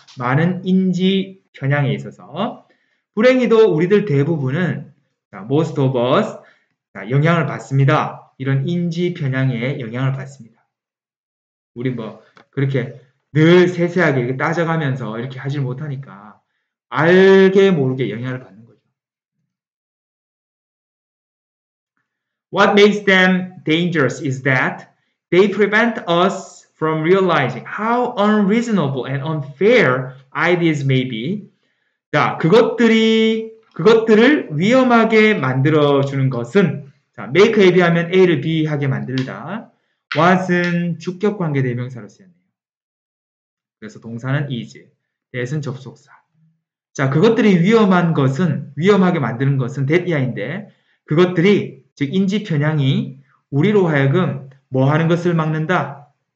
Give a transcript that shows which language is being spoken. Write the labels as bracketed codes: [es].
[ko] 많은 인지 편향에 있어서 불행히도 우리들 대부분은 자, [en] most of us [ko] 자, 영향을 받습니다. 이런 인지 편향에 영향을 받습니다. 우리 뭐 그렇게 늘 세세하게 이렇게 따져가면서 이렇게 하질 못하니까 알게 모르게 영향을 받는 거죠. [en] What makes them dangerous is that they prevent us from realizing how unreasonable and unfair ideas may be. [ko] 자, 그것들을 위험하게 만들어주는 것은 자, make에 비하면 A를 B하게 만들다. What은 주격 관계 대명사로 쓰였네요. 그래서 동사는 is, that은 접속사. 자, 그것들이 위험한 것은, 위험하게 만드는 것은 that 이하인데, 그것들이, 즉, 인지 편향이 우리로 하여금 뭐 하는 것을 막는다?